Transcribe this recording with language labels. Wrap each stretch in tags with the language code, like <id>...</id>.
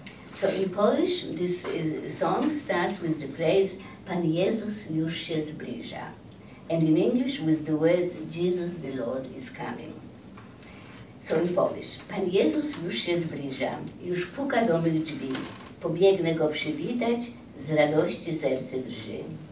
<en>So in Polish, this song starts with the phrase</en> <pl>Pan Jezus już się zbliża.</pl> <en>And in English, with the words Jesus the Lord is coming. So in Polish,</en> <pl>Pan Jezus już się zbliża, już puka do mych drzwi, pobiegnę go przywitać, z radości serce drży.</pl>